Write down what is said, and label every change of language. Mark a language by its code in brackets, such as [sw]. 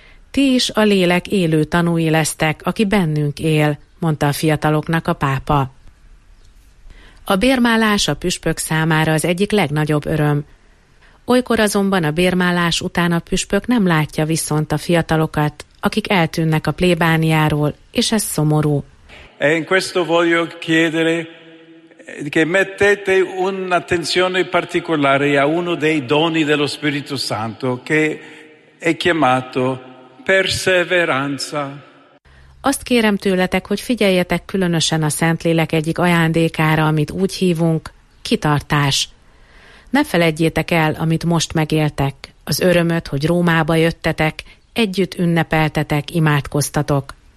[hu] Ti is a lélek élő tanúi lesztek, aki bennünk él, mondta a fiataloknak a pápa. A bérmálás a püspök számára az egyik legnagyobb öröm. Olykor azonban a bérmálás után a püspök nem látja viszont a fiatalokat, akik eltűnnek a plébániáról, és ez szomorú. [it] In questo voglio chiedere che mettete un'attenzione particolare a uno dei doni dello Spirito Santo che è chiamato perseveranza. [hu] Azt kérem tőletek, hogy figyeljetek különösen a Szentlélek egyik ajándékára, amit úgy hívunk, kitartás. Ne feledjétek el, amit most megéltek, az örömöt, hogy Rómába jöttetek, együtt ünnepeltetek, imádkoztatok.